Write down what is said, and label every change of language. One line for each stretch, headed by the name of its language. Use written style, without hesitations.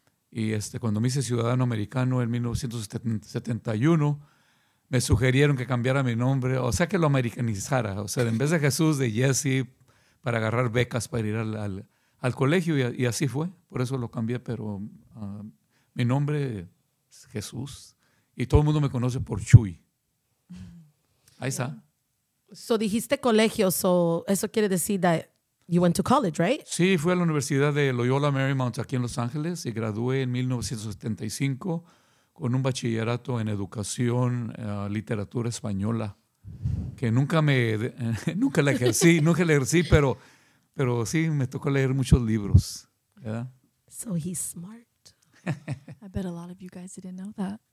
Spanish: Y cuando me hice ciudadano americano en 1971, me sugirieron que cambiara mi nombre, o sea, que lo americanizara. O sea, en vez de Jesús, de Jesse, para agarrar becas para ir al colegio. Y así fue. Por eso lo cambié. Pero mi nombre es Jesús. Y todo el mundo me conoce por Chuy. Ahí está. So, dijiste colegio.
English: So,
Spanish: eso quiere decir
English: that you went to college, right?
Spanish: Sí, fui a la Universidad de Loyola Marymount aquí en Los Ángeles. Y gradué en 1975. Con un bachillerato en educación, literatura española, que nunca la ejercí, pero sí me tocó leer muchos libros, ¿verdad?
English: So he's smart. I bet a lot of you guys didn't know that.